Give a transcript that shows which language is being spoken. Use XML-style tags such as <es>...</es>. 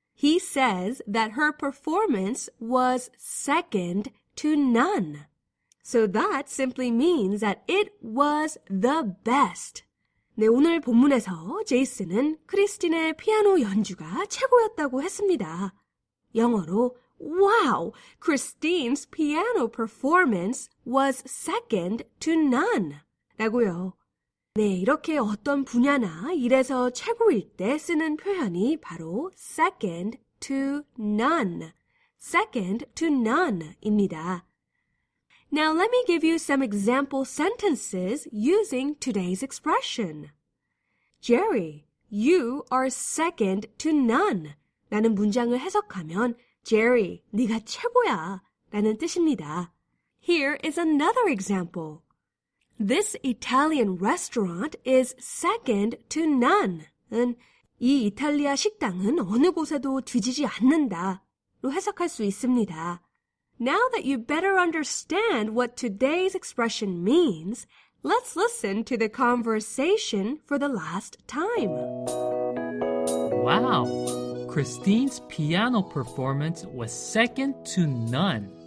<en>He says that her performance was second to none. So that simply means that it was the best.</en> <ko>네, 오늘 본문에서 제이슨은 크리스틴의 피아노 연주가 최고였다고 했습니다. 영어로</ko> <en>Wow! Christine's piano performance was second to none.</en> <ko>라고요. 네, 이렇게 어떤 분야나 일에서 최고일 때 쓰는 표현이 바로</ko> <en>second to none. Second to none입니다. Now let me give you some example sentences using today's expression. Jerry, you are second to none.</en> <ko>라는 문장을 해석하면 Jerry, 네가 최고야 라는 뜻입니다.</ko> <en>Here is another example. This Italian restaurant is second to none.</en> <ko>이 이탈리아 식당은 어느 곳에도 뒤지지 않는다로 해석할 수 있습니다.</ko> <en>Now that you better understand what today's expression means, let's listen to the conversation for the last time. Wow! Christine's piano performance was second to none.</en>